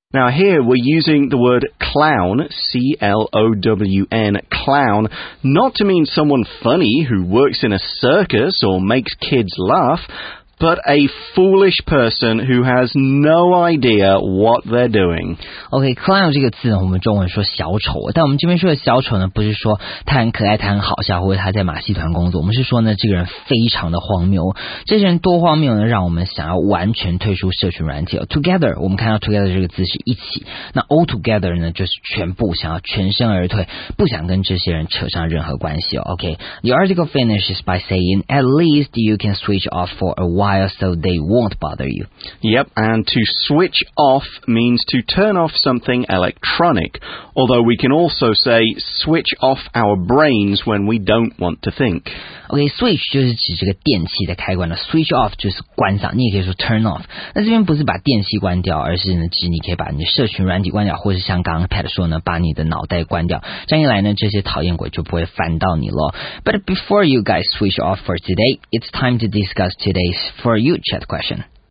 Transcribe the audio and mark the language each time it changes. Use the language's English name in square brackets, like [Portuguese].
[English] Now here we're using the word clown, C-L-O-W-N, clown, not to mean someone funny who works in a circus or makes kids laugh, but a foolish person who has no idea what they're doing. [Chinese] OK, clown 这个字呢，我们中文说小丑，但我们这边说的小丑呢，不是说他很可爱，他很好笑，或者他在马戏团工作，我们是说呢，这个人非常的荒谬。这些人多荒谬呢，让我们想要完全退出社群软体。 Together, 我们看到 together 这个字是一起，那 all together 呢，就是全部，想要全身而退，不想跟这些人扯上任何关系。 [English] OK, the article finishes by saying, at least you can switch off for a while so they won't bother you. Yep, and to switch off means to turn off something electronic, although we can also say switch off our brains when we don't want to think. [Chinese] OK, switch 就是指这个电器的开关了， switch off 就是关上，你也可以说 turn off。那这边不是把电器关掉，而是指你可以把你社群软体关掉，或是像刚刚 Pat 说呢，把你的脑袋关掉，这样一来呢，这些讨厌鬼就不会烦到你了。 [English] But before you guys switch off for today, it's time to discuss today's For You chat question.